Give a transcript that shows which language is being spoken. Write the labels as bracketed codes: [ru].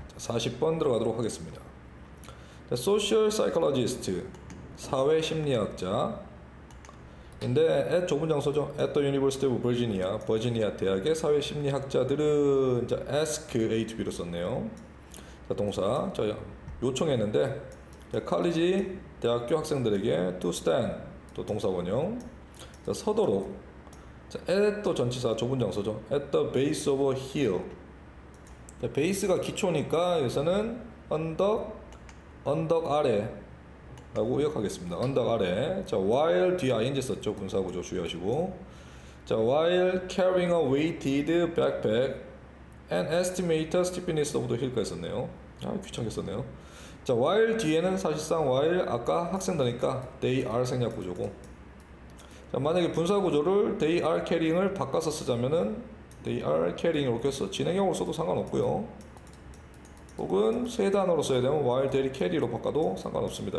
[ko] 자, 40번 들어가도록 하겠습니다. 자, social psychologist, 사회심리학자. 근데 at 좁은 장소죠. [en] At the University of Virginia, [ko] 버지니아 대학의 사회심리학자들은 자, [en] ask A to B [ko] 로 썼네요. 자, 동사, 자, 요청했는데 자, college, 대학교 학생들에게 [en] to stand, [ko] 또 동사원형. 자, 서도록, 자, at 또 전치사 좁은 장소죠. [en] At the base of a hill. [ko] 자, 베이스가 기초니까 여기서는 언덕, 언덕 아래라고 요약하겠습니다. 언덕 아래. 자, while 뒤에 ing 썼죠. 분사구조 주의하시고. [en] 자, while carrying a weighted backpack and estimated steepness of the hill까지 [ko] 썼네요. 아, 귀찮겠었네요. 자, while 뒤에는 사실상 while 아까 학생다니까 [en] they are [ko] 생략구조고. 자, 만약에 분사구조를 [en] they are carrying [ko] 을 바꿔서 쓰자면은 they are carrying 이렇게 해서 진행형으로 써도 상관없고요. 혹은 세단어로 써야 되면 [en] while they carry [ko] 로 바꿔도 상관없습니다.